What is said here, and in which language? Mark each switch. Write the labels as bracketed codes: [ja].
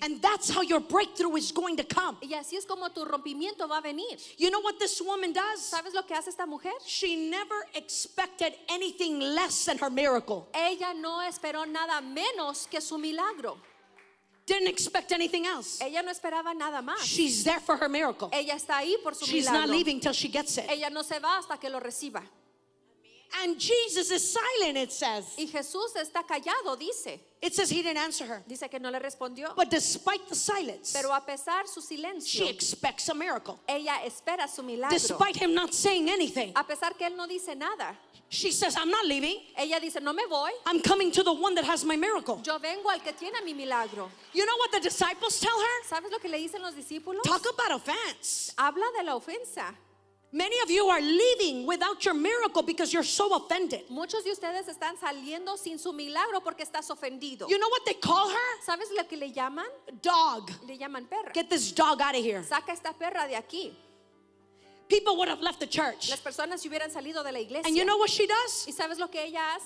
[en] And that's how your breakthrough is going to come. [es] Y así es como tu rompimiento va a venir. [en] You know what this woman does? [es] ¿Sabes lo que hace esta mujer? [en] She never expected anything less than her miracle. [es] Ella no esperó nada menos que su milagro. [en] Didn't expect anything else. [es] Ella no esperaba nada más. [en] She's there for her miracle. [es] Ella está ahí por su [en] She's [es] milagro. [en] Not leaving till she gets it. [es] Ella no se va hasta que lo reciba. [en] And Jesus is silent, it says. [es] Y Jesús está callado, dice. [en] It says he didn't answer her. [es] Dice que no le respondió. [en] But despite the silence, [es] pero a pesar su silencio, [en] she expects a miracle. [es] Ella espera su milagro. [en] Despite him not saying anything, [es] a pesar que él no dice nada, [en] she says, I'm not leaving. [es] Ella dice, no me voy. [en] I'm coming to the one that has my miracle. [es] Yo vengo al que tiene mi milagro. [en] You know what the disciples tell her? [es] ¿Sabes lo que le dicen los discípulos? [en] Talk about offense. [es] Habla de la ofensa. [en] Many of you are leaving without your miracle because you're so offended. [es] Muchos de ustedes están saliendo sin su milagro porque estás ofendido. [en] You know what they call her? [es] ¿Sabes lo que le llaman? [en] Dog. [es] Le llaman perra. [en] Get this dog out of here. [es] Saca esta perra de aquí. [en] People would have left the church. [es] Las personas hubieran salido de la iglesia. [en] And you know what she does? [es] ¿Y sabes lo que ella hace?